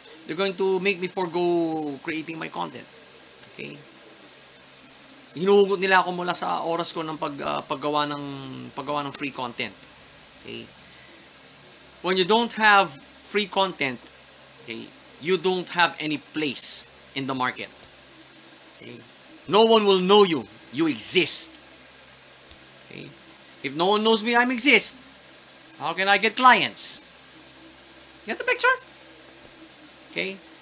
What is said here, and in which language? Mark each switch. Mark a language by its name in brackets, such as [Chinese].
[English] They're going to make me forego creating my content. Okay. [Filipino] Hinuhugot nila ako mula sa oras ko ng paggawa ng free content. [English] Okay. When you don't have free content, okay, you don't have any place in the market. Okay. No one will know you. You exist. Okay. If no one knows me, I exist. How can I get clients? Get the picture? Okay.